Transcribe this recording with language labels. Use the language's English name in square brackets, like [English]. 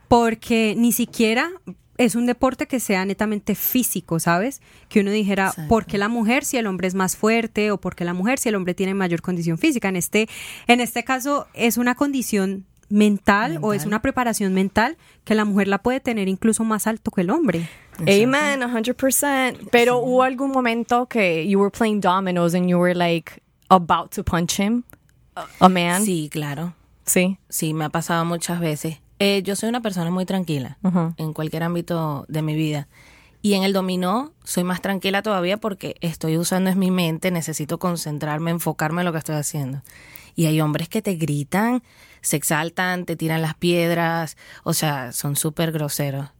[Spanish] Porque ni siquiera es un deporte que sea netamente físico, ¿sabes? Que uno dijera, exacto, ¿por qué la mujer si el hombre es más fuerte? ¿O por qué la mujer si el hombre tiene mayor condición física? En este caso, ¿es una condición mental o es una preparación mental que la mujer la puede tener incluso más alto que el hombre? Amen, 100%. Pero sí, ¿hubo algún momento que [English] you were playing dominoes and you were like about to punch him, a man? [Spanish] Sí, claro. ¿Sí? Sí, me ha pasado muchas veces. Yo soy una persona muy tranquila en cualquier ámbito de mi vida. Y en el dominó soy más tranquila todavía porque estoy usando mi mente, necesito concentrarme, enfocarme en lo que estoy haciendo. Y hay hombres que te gritan, se exaltan, te tiran las piedras, o sea, son súper groseros.